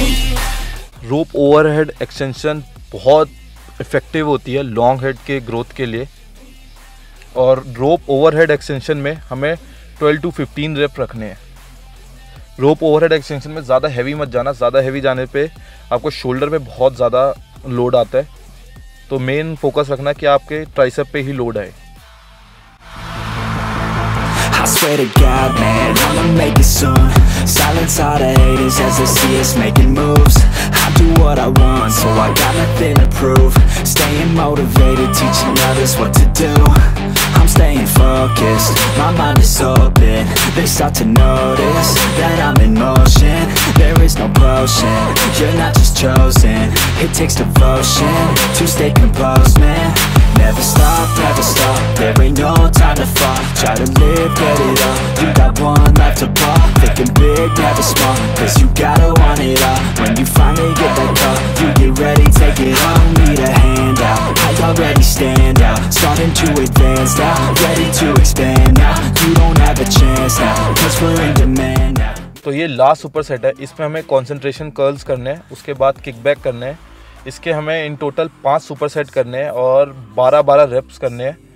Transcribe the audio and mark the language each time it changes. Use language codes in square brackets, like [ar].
[hi] रोप overhead extension बहुत effective होती है लॉन्ग हेड के ग्रोथ के लिए, और रोप ओवरहेड एक्सटेंशन में हमें 12 टू 15 रेप रखने हैं. रोप ओवरहेड एक्सटेंशन में ज़्यादा हैवी मत जाना, ज़्यादा हैवी जाने पे आपको शोल्डर पे बहुत ज़्यादा लोड आता है, तो मेन फोकस रखना कि आपके ट्राइसेप पे ही लोड आए. [en] I swear to God, man, I'ma make it soon. Silence all the haters as they see us making moves. I do what I want, so I got nothing to prove. Staying motivated, teaching others what to do. I'm staying focused, my mind is open. They start to notice that I'm in motion. There is no potion, you're not just chosen. It takes devotion to stay composed, man. Never stop, never stop, there ain't no time to fall. Try to live, get it up, you got one life to pop. Thinking big, never small, cause you gotta want it all. When you finally get that cup, you get ready, take it on. Need a hand out, I already stand out. Starting to advance now, ready to expand now. You don't have a chance now, cause we're in demand now. [hi] तो ये last super set है, इसमें हमें concentration curls करने हैं, उसके बाद kickback करने हैं. इसके हमें इन टोटल 5 सुपर सेट करने हैं और 12-12 रेप्स करने हैं.